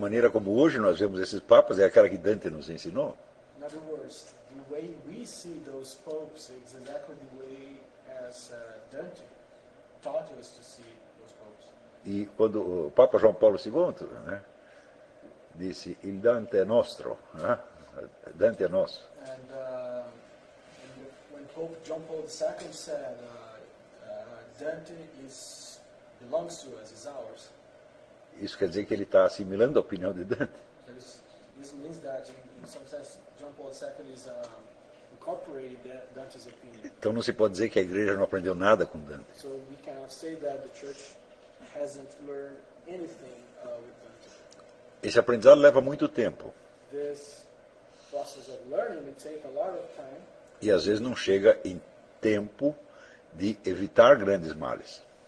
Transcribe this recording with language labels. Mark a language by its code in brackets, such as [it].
[pt] A maneira como hoje nós vemos esses papas é aquela que Dante nos ensinou. [en] In other words, the way we see those popes is exactly the way as Dante taught us to see those popes. [pt] E quando o Papa João Paulo II, né, disse [it] "Il Dante è nostro", [pt] né? Dante é nosso. [en] And, Pope John Paul II said, Dante belongs to us, is ours. [pt] Isso quer dizer que ele está assimilando a opinião de Dante. [en] This means that, in some sense, John Paul II is incorporating Dante's opinion. [pt] Então não se pode dizer que a igreja não aprendeu nada com Dante. [en] So we cannot say that the church hasn't learned anything with Dante. [pt] Esse aprendizado leva muito tempo. [en] This process of learning may take a lot of time. [pt] E às vezes não chega em tempo de evitar grandes males.